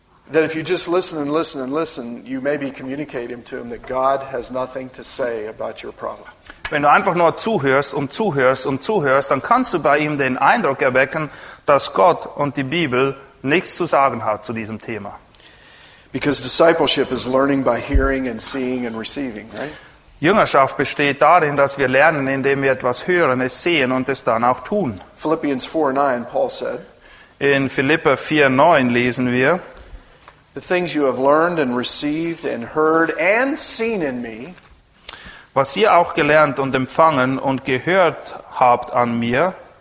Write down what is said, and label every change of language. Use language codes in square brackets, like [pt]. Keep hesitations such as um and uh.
[en] Listen and listen and listen, [de] Wenn du einfach nur zuhörst und zuhörst und zuhörst, dann kannst du bei ihm den Eindruck erwecken, dass Gott und die Bibel nichts zu sagen hat zu diesem Thema. [en] Because discipleship is learning by hearing and seeing and receiving, right? [de] Jüngerschaft besteht darin, dass wir lernen, indem wir etwas hören, es sehen und es dann auch [en] tun. Philippians 4, 9, Paul said, [de] In Philippa 4:9 lesen wir: [en] The things you have learned and received and heard and seen in me, [de] was ihr auch gelernt und empfangen und gehört habt an mir,